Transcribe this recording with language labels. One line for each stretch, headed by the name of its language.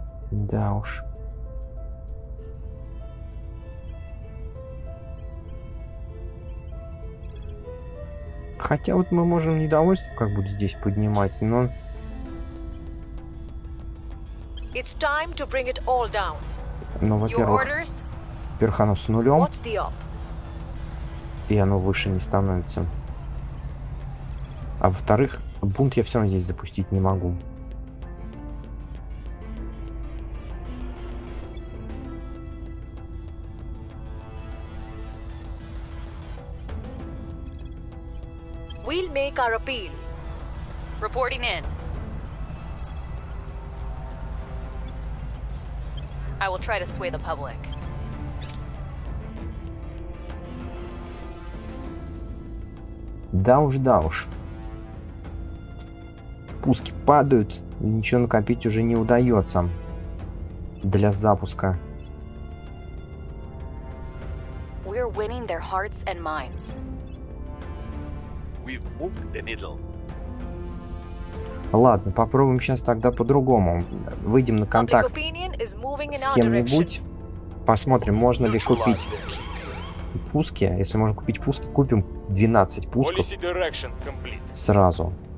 Russian: Да уж. Хотя вот мы можем недовольство как будто здесь поднимать, но...
English: It's time to bring it all down.
Russian: Ну, во-первых, оно с нулем. И оно выше не становится. А во-вторых, бунт я все равно здесь запустить не могу.
English: We'll make our appeal. Reporting in. I will try to sway the public.
Russian: Да уж, да уж. Пуски падают, ничего накопить уже не удается для запуска.
English: We're winning their hearts and minds. We've moved the needle.
Russian: Ладно, попробуем сейчас тогда по-другому. Выйдем на контакт с кем-нибудь. Посмотрим, можно ли купить пуски. Если можно купить пуски, купим 12 пусков сразу.